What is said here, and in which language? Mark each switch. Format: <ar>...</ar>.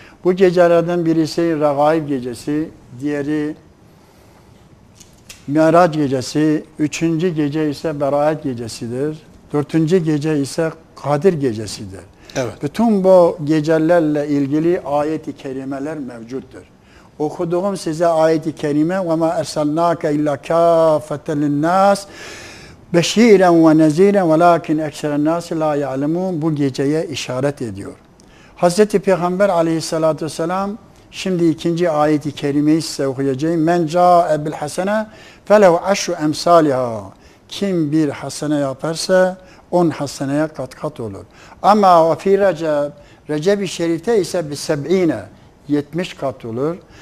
<tr>Bu gecelerden birisi Regaib gecesi, diğeri Miraç gecesi, üçüncü gece ise Beraat gecesidir. Dördüncü gece ise Kadir gecesidir. Evet. Bütün bu gecelerle ilgili ayet-i kerimeler mevcuttur. Okuduğum size ayet-i kerime</tr> <ar>وَمَا اَرْسَلْنَاكَ اِلَّا كَافَةً لِلنَّاسِ بَشِيرًا وَنَزِيرًا وَلَاكِنْ اَكْسَرَ النَّاسِ لَا يَعْلَمُونَ</ar> <tr>Bu geceye işaret ediyor. Hazreti Peygamber aleyhissalatü vesselam şimdi ikinci ayet-i kerimeyi size okuyacağım.</tr> <ar>Men ca'e bil hasene felehu eşru emsaliha.</ar> <tr>Kim bir hasene yaparsa 10 haseneye kat kat olur. Ama ve fi Recep, Recep-i Şerif'te ise bi seb'ine 70 kat olur.</tr>